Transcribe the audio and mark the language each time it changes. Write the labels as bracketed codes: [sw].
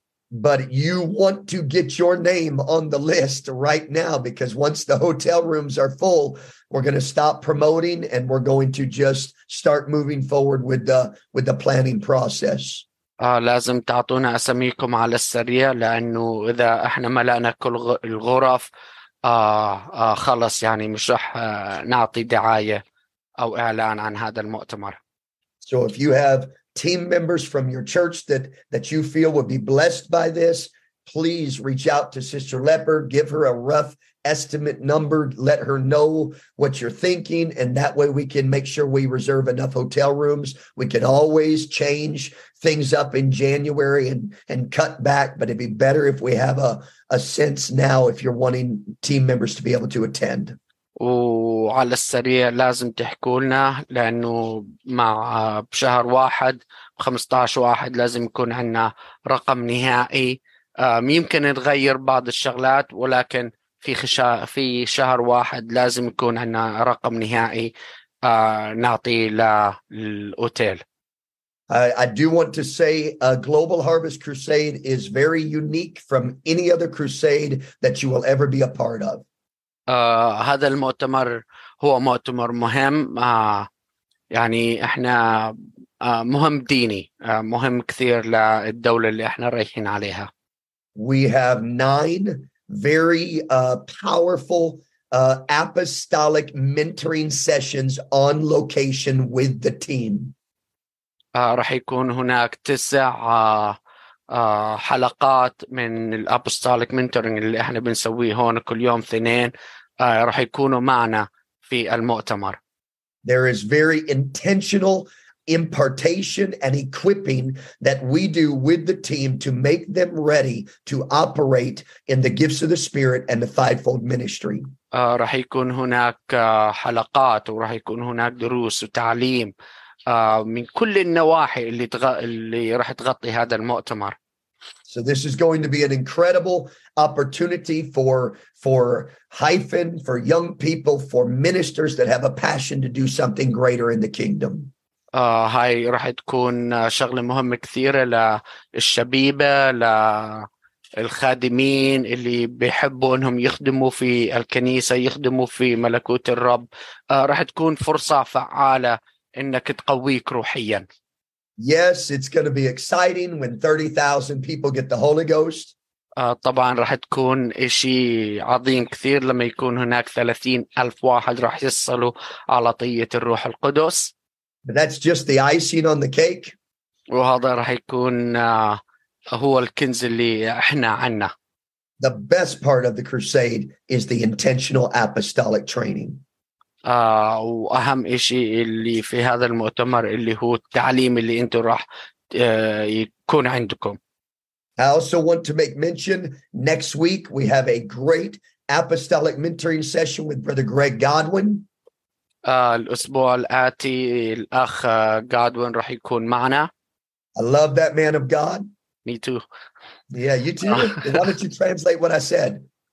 [en] But you want to get your name on the list right now because once the hotel rooms are full, we're going to stop promoting and we're going to just start moving forward with the planning process. [ar] لازم تعطونا أسميكم على السريع لأنه إذا إحنا ملأنا كل الغرف خلص يعني مش رح نعطي دعاية أو إعلان عن هذا المؤتمر. [en] So if you have team members from your church that you feel would be blessed by this, please reach out to Sister Lepper, give her a rough estimate number, let her know what you're thinking, and that way we can make sure we reserve enough hotel rooms. We could always change things up in January and cut back, but it'd be better if we have a sense now if you're wanting team members to be able to attend. [ar] وعلى السريع لازم تحكولنا لأنه مع بشهر واحد 15 واحد لازم يكون عندنا رقم نهائي يمكن نتغير بعض الشغلات ولكن في شهر واحد لازم يكون عندنا رقم نهائي نعطي للأوتيل. [en] I do want to say a Global Harvest Crusade is very unique from any other crusade that you will ever be a part of. [ar] هذا المؤتمر هو مؤتمر مهم يعني احنا مهم ديني مهم كثير للدولة اللي احنا رايحين عليها. [en] We have 9 very powerful apostolic mentoring sessions on location with the team. [ar] راح يكون هناك 9 حلقات من الابوستوليك منتورينج اللي احنا بنسويه هون كل يوم 2 راح يكونوا معنا في المؤتمر. [en] There is very intentional impartation and equipping that we do with the team to make them ready to operate in the gifts of the Spirit and the fivefold ministry. [ar] راح يكون هناك حلقات وراح يكون هناك دروس وتعليم من كل النواحي اللي راح تغطي هذا المؤتمر. [en] So this is going to be an incredible opportunity for hyphen, for young people, for ministers that have a passion to do something greater in the kingdom. [ar] هاي راح تكون شغلة مهمة كثيرة للشبيبة للخادمين اللي بيحبوا انهم يخدموا في الكنيسة يخدموا في ملكوت الرب راح تكون فرصة فعالة انك تقويك روحيا. [en] Yes, it's going to be exciting when 30,000 people get the Holy Ghost. [ar] طبعا راح تكون إشي عظيم كثير لما يكون هناك 30,000 واحد راح يصلوا على طية الروح القدس. [en] But that's just the icing on the cake. [ar] وهذا راح يكون هو الكنز اللي احنا عنا. [en] The best part of the crusade is the intentional apostolic training. [ar] وأهم إشي اللي في هذا المؤتمر اللي هو التعليم اللي أنتوا راح يكون عندكم. [en] I also want to make mention, next week we have a great apostolic mentoring session with Brother Greg Godwin. [ar] الأسبوع الآتي الأخ Godwin راح يكون معنا. [en] I love that man of God. Me too. Yeah, you too. Why don't you translate what I said?